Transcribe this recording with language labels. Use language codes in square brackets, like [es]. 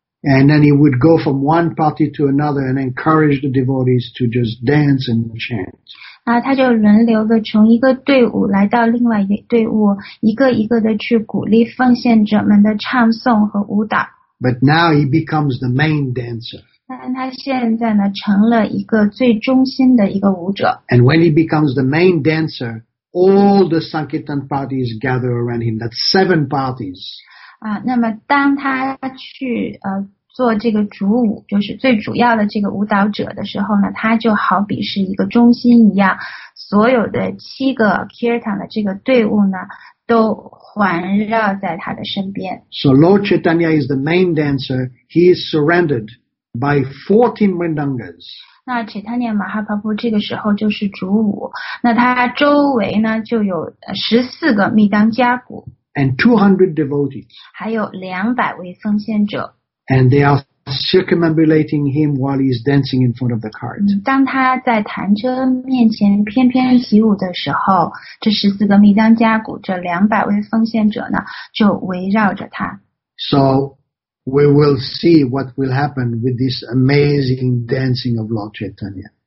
[en] And then he would go from one party to another and encourage the devotees to just dance and chant. [zh] 他就轮流的从一个队伍来到另外一个队伍，一个一个的去鼓励奉献者们的唱诵和舞蹈。 [en] But now he becomes the main dancer. [zh] 但他现在呢，成了一个最中心的一个舞者。 [en] And when he becomes the main dancer, all the Sankirtan parties gather around him. That's seven parties. [zh] 那么当他去做这个主舞，就是最主要的这个舞蹈者的时候呢，他就好比是一个中心一样，所有的七个 kirtan 的这个队伍呢，都环绕在他的身边。 [en] So Lord Chaitanya is the main dancer. He is surrounded by 14 mridangas. [zh] 那 Chaitanya Mahaprabhu 这个时候就是主舞，那他周围呢就有14个密当加鼓。 [en] And 200 devotees. [zh] 还有200位奉献者。 [en] And they are circumambulating him while he is dancing in front of the cart. [zh] 当他在弹车面前翩翩起舞的时候，这14个密当加鼓，这200位奉献者呢，就围绕着他。 [en] So we will see what will happen with this amazing dancing of Lord Chaitanya.